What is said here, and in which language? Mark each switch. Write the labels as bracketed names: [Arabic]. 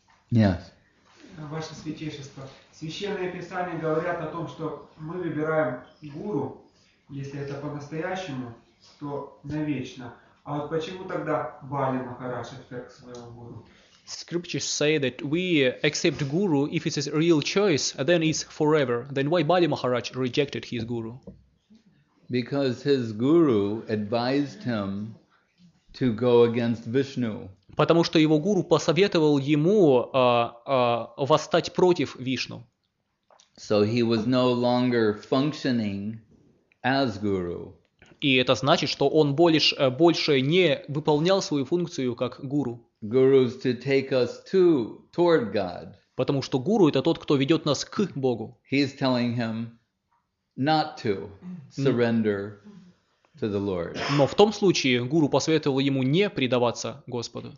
[English] Yes. [Russian] Ваше святейшество, священные писания говорят о том, что мы выбираем гуру, если это по-настоящему, то навечно. А вот почему тогда Бали Махарадж отверг своего гуру? [English] Scriptures say that we accept guru if it's a real choice, then it's forever. Then why Bali Maharaj rejected his guru? Because his guru advised him to go against Vishnu. [Russian] Потому что его гуру посоветовал ему восстать против Вишну. [English] So he was no longer functioning as guru. [Russian] И это значит, что он больше не выполнял свою функцию как гуру. [English] Guru is to take us to, toward God. [Russian] Потому что гуру — это тот, кто ведет нас к Богу. [English] He is telling him not to surrender to the Lord. [Russian] Но в том случае гуру посоветовал ему не предаваться Господу.